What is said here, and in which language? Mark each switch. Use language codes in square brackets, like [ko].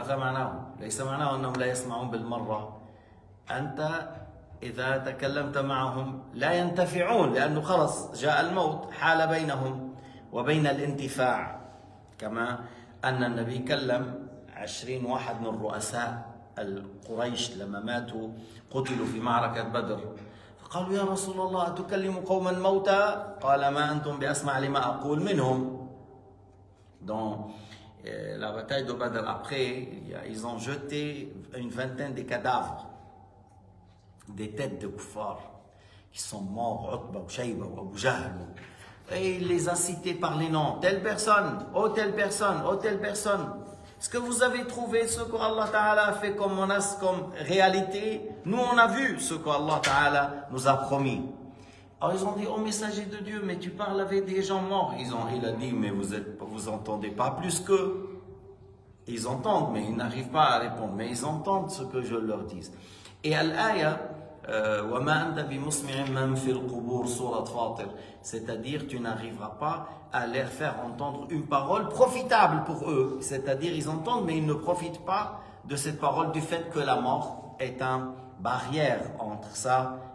[ar] هذا معناه، ليس معناه أنهم لا يسمعون بالمرة. أنت إذا تكلمت معهم لا ينتفعون لأنه خلص جاء الموت حال بينهم وبين الانتفاع. كما أن النبي كلم 20 واحد من الرؤساء القريش لما ماتوا قتلوا في معركة بدر، فقالوا يا رسول الله أتكلم قوما موتى؟ قال ما أنتم بأسمع لما أقول منهم. [fr] Dans la bataille de Badr après ils ont jeté une vingtaine de cadavres, des têtes de kuffar qui sont morts, عتبة وشيبة وأبو جهل. Et il les a cités par les noms, telle personne, oh telle personne, oh telle personne. Ce que vous avez trouvé, ce que Allah Ta'ala a fait comme menace, comme réalité, nous on a vu ce que Allah Ta'ala nous a promis. Alors ils ont dit, oh messager de Dieu, mais tu parles avec des gens morts. Il a dit, mais vous entendez pas plus qu'eux. Ils entendent, mais ils n'arrivent pas à répondre. Mais ils entendent ce que je leur dis. [ar] Et Al-Aya, وَمَا أَنْتَ بِمُسْمِعٍ مَنْ فِي الْقُبُورِ سُورَةَ فَاطِرِ. [fr] C'est-à-dire, tu n'arriveras pas à leur faire entendre une parole profitable pour eux. C'est-à-dire, ils entendent, mais ils ne profitent pas de cette parole du fait que la mort est une barrière entre ça